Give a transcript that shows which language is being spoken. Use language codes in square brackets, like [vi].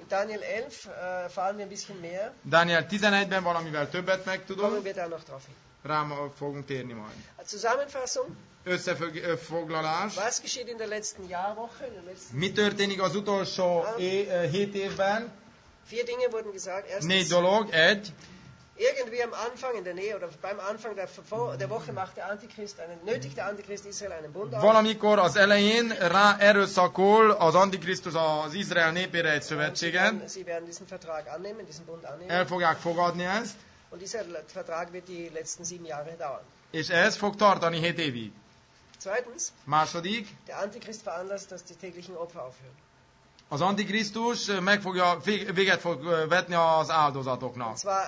[de] Daniel 11, fallen wir ein bisschen mehr. [hu] Daniel 11-ben valamivel többet megtudom. [de] Kommen wir da noch drauf hin. [hu] Rá fogunk térni majd. [de] A Zusammenfassung. [hu] Összefoglalás. [de] Was geschieht in der letzten Jahrwoche? [hu] Mi történik az utolsó hét évben? [de] Vier Dinge wurden gesagt. Erstens, [hu] négy dolog, egy. [de] Irgendwie am Anfang in der Nähe oder beim Anfang der Woche machte Antichrist einen nötigte Antichrist Israel einen Bund. [hu] Valamikor az elején rá erőszakol az Antikrisztus az Izrael népére egy szövetséget. [de] Sie werden diesen Vertrag annehmen, diesen Bund annehmen. [hu] El fogják fogadni ezt. [de] Und dieser Vertrag wird die letzten sieben Jahre dauern. [hu] És ez fog tartani hét évig. [de] Zweitens. [hu] Második. [de] Der Antichrist veranlasst, dass die täglichen Opfer aufhören. [hu] Az Antikrisztus véget fog vetni az áldozatoknak.